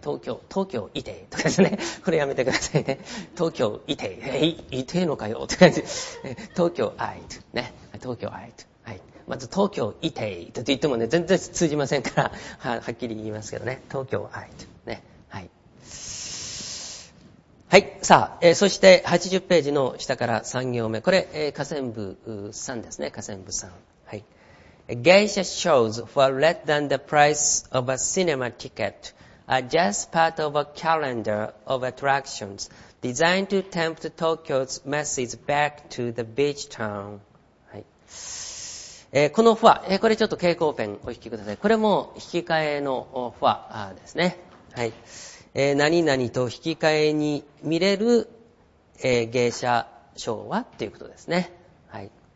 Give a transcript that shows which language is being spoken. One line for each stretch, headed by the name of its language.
Japanese: 東京いてとかですね、これやめてくださいね。東京いて、いてのかよって感じ、東京あいつね、東京あいつ、まず東京いてと言ってもね全然通じませんから はっきり言いますけどね、東京あいとね、はい、はい。さあ、そして80ページの下から3行目、これ、下線部3ですね、下線部3、はい。
English: Geisha shows for less than the price of a cinema ticket are just part of a calendar of attractions designed to tempt Tokyo's masses back to the beach town。
Japanese: このフォア、これちょっと蛍光ペンお引きください。これも引き換えのフォアですね、はい。何々と引き換えに見れる、芸者ショーはっていうことですね、はい。